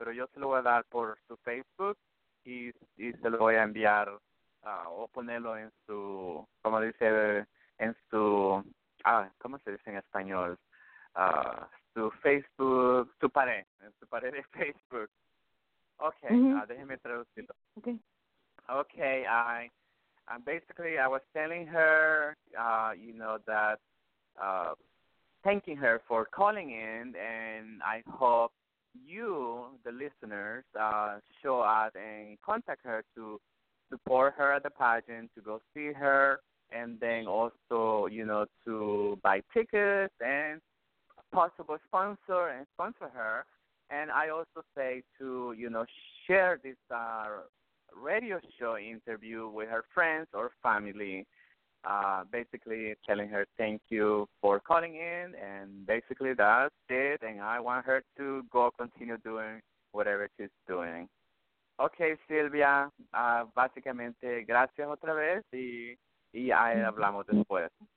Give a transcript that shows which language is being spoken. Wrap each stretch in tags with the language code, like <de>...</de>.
<es>Pero yo se lo voy a dar por su Facebook y se lo voy a enviar, o ponerlo en su, ¿cómo dice?, en su, ¿cómo se dice en español?, su Facebook, su pared de Facebook. Okay, mm-hmm. Déjeme traducirlo.</es> <en>Okay. Okay, I was telling her, you know, that thanking her for calling in, and I hope you, the listeners, show up and contact her to support her at the pageant, to go see her, and then also, you know, to buy tickets and possible sponsor and sponsor her. And I also say to, you know, share this radio show interview with her friends or family, basically telling her thank you for calling in, and basically that's it, and I want her to go continue doing whatever she's doing.</en> <es>Okay, Silvia, básicamente gracias otra vez, y ahí hablamos después.</es>